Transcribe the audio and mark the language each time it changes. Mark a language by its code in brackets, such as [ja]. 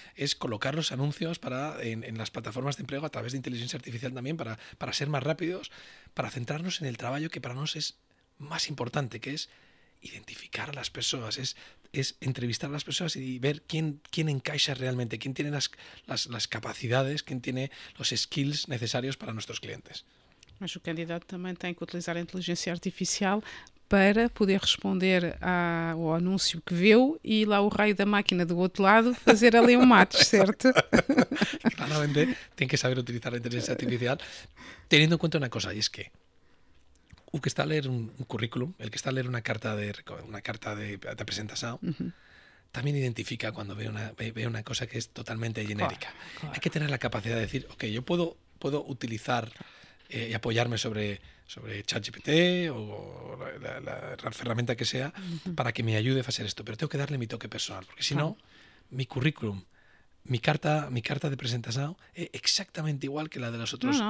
[es] Es colocar los anuncios en las plataformas de empleo a través de inteligencia artificial también para ser más rápidos, para centrarnos en el trabajo que para nos es más importante, que es identificar a las personas, es entrevistar a las personas y ver quién encaja realmente, quién tiene las capacidades, quién tiene los skills necesarios para nuestros clientes. [pt] Mas o candidato também tem que utilizar a inteligência artificial para poder responder ao anúncio que viu e lá o raio da máquina do outro lado fazer ali um match, certo? Claramente tem que saber utilizar a inteligência artificial, tendo em conta uma coisa, e é que o que está a ler um currículum, o que está a ler uma carta de apresentação, [es] también identifica cuando ve una cosa que es totalmente genérica. Claro. Hay que tener la capacidad de decir, ok, yo puedo utilizar... y apoyarme sobre ChatGPT o la herramienta que sea para que me ayude a hacer esto, pero tengo que darle mi toque personal, porque si no, mi currículum, mi carta de presentación es exactamente igual que la de los otros.